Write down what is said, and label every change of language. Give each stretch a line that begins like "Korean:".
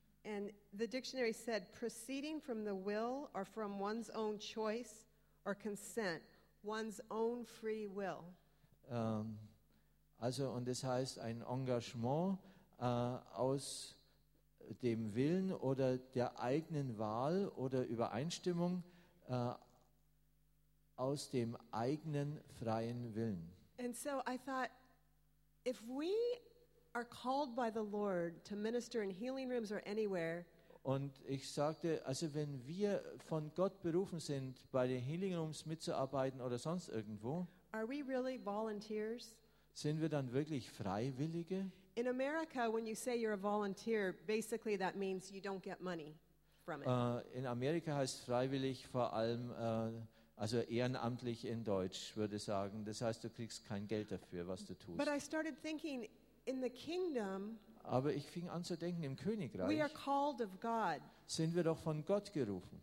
English: And the dictionary said, proceeding from the will or from one's own choice or consent, one's own free will.
German: Also, und das heißt, ein Engagement aus dem Willen oder der eigenen Wahl oder Übereinstimmung aus dem eigenen freien Willen.
English: And so I thought, if we are called by the Lord to minister in healing rooms or anywhere.
German: Und ich sagte, also wenn wir von Gott berufen sind, bei den Healing Rooms mitzuarbeiten oder sonst irgendwo.
English: Are we really volunteers?
German: Sind wir dann wirklich Freiwillige?
English: In America, when you say you're a volunteer, basically that means you don't get money from it.
German: In Amerika heißt freiwillig vor allem, also ehrenamtlich in Deutsch würde ich sagen. Das heißt, du kriegst kein Geld dafür, was du tust.
English: But I started thinking, in the kingdom,
German: aber ich fing an zu denken, im Königreich
English: we are called of God.
German: Sind wir doch von Gott gerufen.